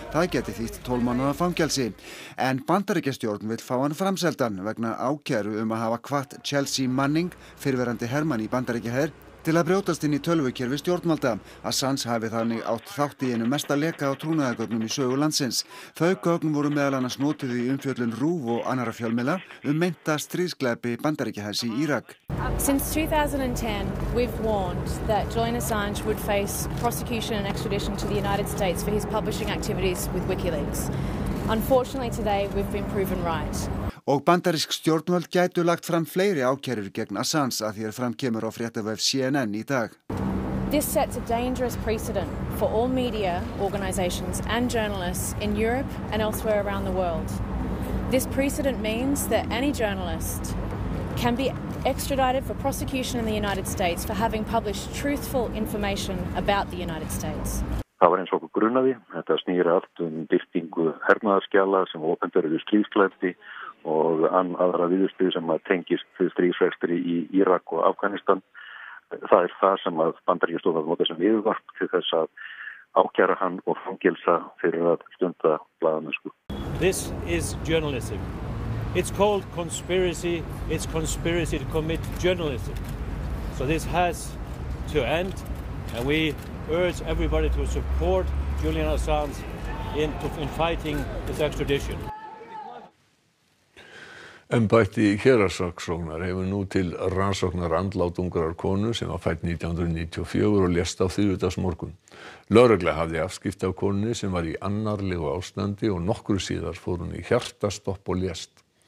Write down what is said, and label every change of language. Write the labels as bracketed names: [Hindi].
[Icelandic] Það gæti þýtt 12 mánaða fangelsi. En Bandaríkjastjórn vill fá hann framseldan vegna ákæru að hafa kvatt Chelsea Manning, fyrrverandi hermann í Bandaríkjaher, til að brjótast inn í tölvukerfi stjórnvalda. Assange hafi þannig átt þátt í einu mesta leka á trúnaðagögnum í sögu landsins. Þau gögn voru meðal annars notuð í umfjöllun RÚV og annarra fjölmiðla meinta stríðsglæpi Bandaríkjahers í Írak. [English] Since 2010, we've warned that Julian Assange would face prosecution and extradition to the United States for his publishing activities with WikiLeaks. Unfortunately today we've been proven right. [Icelandic] Og bandarísk stjórnvöld gætu lagt fram fleiri ákærur gegn Assange að því er fram kemur á fréttavef CNN í dag. [English] This sets a dangerous precedent for all media organizations and journalists in Europe and elsewhere around the world. This precedent means that any journalist can be extradited for prosecution in the United States for having published truthful information about the United States. [Icelandic] Það var eins og okkur grunaði. Þetta snýr allt birtingu hernaðarskjala sem opinberuðu stríðsglæpi og aðra viðurstöð sem að tengist stríðsrekstri í Írak og Afganistan. Það það sem að Bandaríkjastjórn notar sem yfirvarp til þess að ákæra hann og fangelsa fyrir að stunda blaðamennsku. [English] This is journalism. It's called conspiracy. It's conspiracy to commit journalism. So this has to end and we urge everybody to support Julian Assange in fighting this extradition. [Icelandic] Embætti héraðssaksóknar hefur nú til rannsóknar andlát ungrar konu sem var fædd 1994 og lést á þriðjudagsmorgun. Lögregla hafði afskipti af konunni sem var í annarlegu ástandi og nokkru síðar fór hún í hjartastopp og lést.